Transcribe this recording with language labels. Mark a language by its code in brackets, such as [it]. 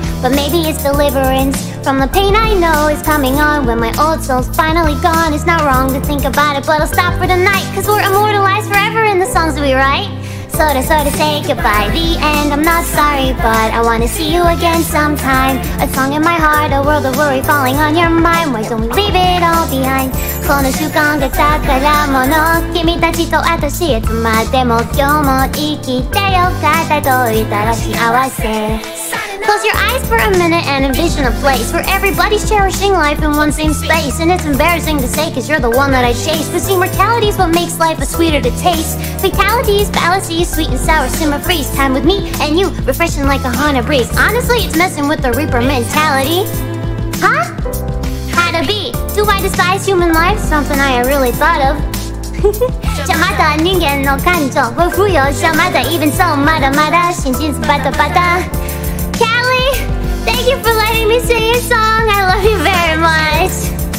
[en] But maybe it's deliverance from the pain I know is coming on when my old soul's finally gone. It's not wrong to think about it, but I'll stop for tonight, cause we're immortalized forever in the songs we write. Sorta say goodbye, the end. I'm not sorry, but I wanna see you again sometime. A song in my heart, a world of worry falling on your mind. Why don't we leave it all behind? [ja] この瞬間が宝物、君たちと私いつまでも今日も生きてよかった、どういたら幸せ。 [en] Close your eyes for a minute and envision a place where everybody's cherishing life in one same space. And it's embarrassing to say, cause you're the one that I chase. But see, mortality is what makes life a sweeter to taste. Fatality is fallacy, sweet and sour, simmer freeze. Time with me and you, refreshing like a haunted breeze. Honestly, it's messing with the Reaper mentality. Huh? How to be? Do I despise human life? Something I really thought of. [ja] じゃまだ人間の感情は不要じゃまだ [en] even so [ja] まだまだ心情バタバタ。 [en] Thank you for letting me sing a song. I love you very much.